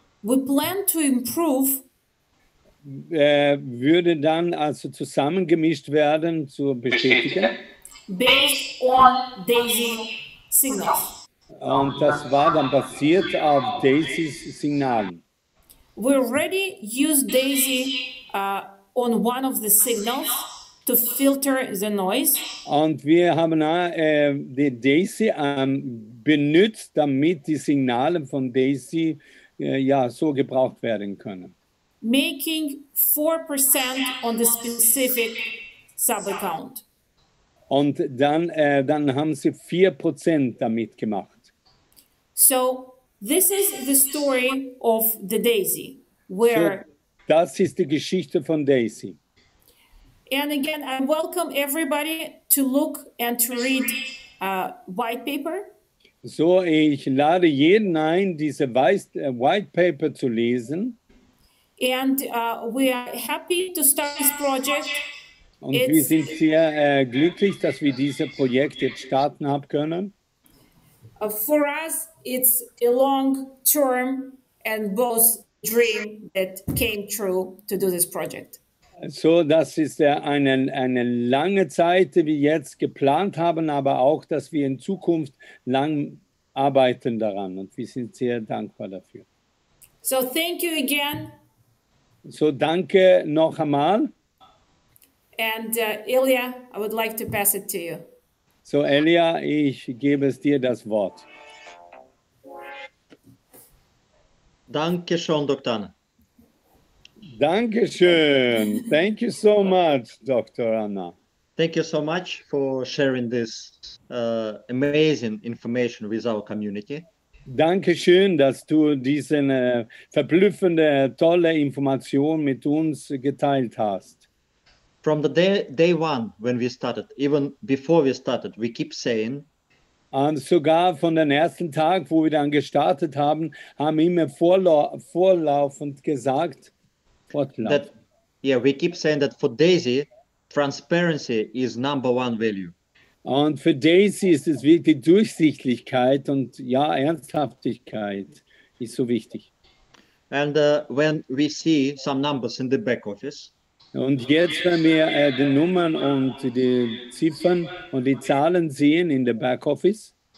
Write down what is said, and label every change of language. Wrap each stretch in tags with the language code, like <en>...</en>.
<en>We plan to improve.</en> <de>Würde dann also zusammengemischt werden zu bestätigen.</de> <en>Based on Daisy Signals.</en> <de>Und das war dann basiert auf Daisys Signalen.</de> <en>We already use Daisy on one of the signals to filter the noise.</en> <de>Und wir haben die Daisy benutzt, damit die Signale von Daisy so gebraucht werden können.</de> <en>Making 4% on the specific sub-account.</en> <de>Und dann haben sie 4% damit gemacht.</de> <en>So, this is the story of the Daisy.</en> <de>Das ist die Geschichte von Daisy.</de> <en>And again, I welcome everybody to look and to read white paper.</en> <de>So, ich lade jeden ein, diese white paper zu lesen.</de> <en>And we are happy to start this project.</en> <de>Und</de> <en>It's,</en> <de>wir sind sehr glücklich, dass wir dieses Projekt jetzt starten haben können.</de> <en>For us, it's a long term and both dream that came true to do this project.</en> <de>So, das ist eine lange Zeit, die wir jetzt geplant haben, aber auch, dass wir in Zukunft lang arbeiten daran. Und wir sind sehr dankbar dafür.</de> <en>So, thank you again.</en> <de>So, danke noch einmal.</de> <en>And Ilya, I would like to pass it to you.</en> <de>So, Elia, ich gebe es dir das Wort. Danke schön, Dr. Anna. Danke schön.</de> <en>Thank you so much, Dr. Anna. Thank you so much for sharing this amazing information with our community.</en> <de>Danke schön, dass du diese verblüffende, tolle Information mit uns geteilt hast.</de> <en>From the day one, when we started, even before we started, we keep saying.</en> <de>Und sogar von den ersten Tag, wo wir dann gestartet haben, haben wir immer vorlaufend gesagt, fortlaufend.</de> <en>That, yeah, we keep saying that for Daisy, transparency is number one value.</en> <de>Und für Daisy ist es wirklich Durchsichtigkeit und Ernsthaftigkeit ist so wichtig.</de> <en>And when we see some numbers in the back office.</en> <de>Und jetzt, wenn wir die Nummern und die Ziffern und die Zahlen sehen in der Backoffice,</de>